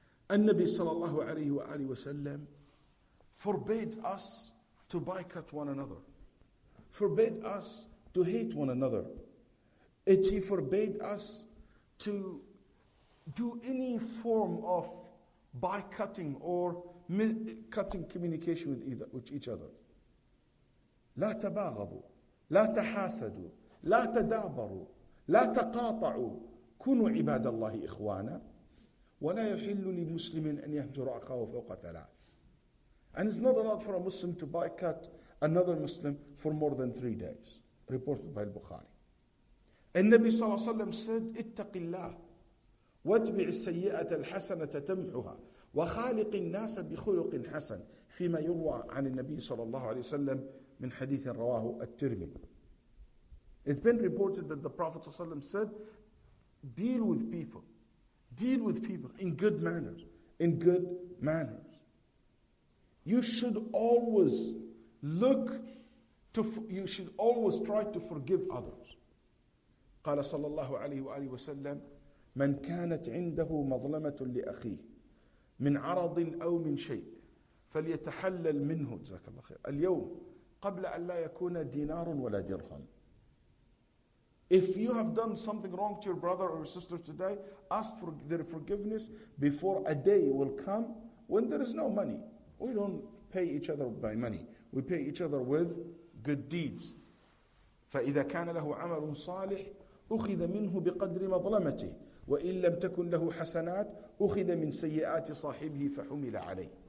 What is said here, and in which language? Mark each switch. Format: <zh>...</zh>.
<en>An-Nabi sallallahu alayhi wa sallam forbade us to boycott one another, forbade us to hate one another. He forbade us to do any form of boycotting or cutting communication with each other.</en> <ar>لا تباغضوا لا تحاسدوا لا تدابروا لا تقاطعوا كونوا عباد الله إخوانا ولا يحل لمسلم أن يهجر أخاه فوق ثلاث.</ar> <en>And it's not allowed for a Muslim to boycott another Muslim for more than 3 days, reported by Al-Bukhari.</en> <ar>النبي صلى الله عليه وسلم</ar> <en>said,</en> <ar>اتق الله واتبع السيئة الحسنة تمحها وخالق الناس بخلق حسن فيما يروى عن النبي صلى الله عليه وسلم من حديث رواه الترمذي.</ar> <en>It's been reported that the Prophet ﷺ said, deal with people. Deal with people in good manners. In good manners. You should always look to, you should always try to forgive others.</en> <ar>قال صلى الله عليه وآله وسلم, من كانت عنده مظلمة لأخيه من عرض أو من شيء فليتحلل منه جزاك الله خير اليوم قبل أن لا يكون دينار ولا درهم.</ar> <en>If you have done something wrong to your brother or sister today, ask for their forgiveness before a day will come when there is no money. We don't pay each other by money. We pay each other with good deeds.</en> <ar>فَإِذَا كَانَ لَهُ عَمَلٌ صَالِحٌ أُخِذَ مِنْهُ بِقَدْرِ مَظْلَمَتِهِ وَإِنْ لَمْ تَكُنْ لَهُ حَسَنَاتٌ أُخِذَ مِنْ سَيِّئَاتِ صَاحِبِهِ فَحُمِلَ عَلَيْهِ.</ar>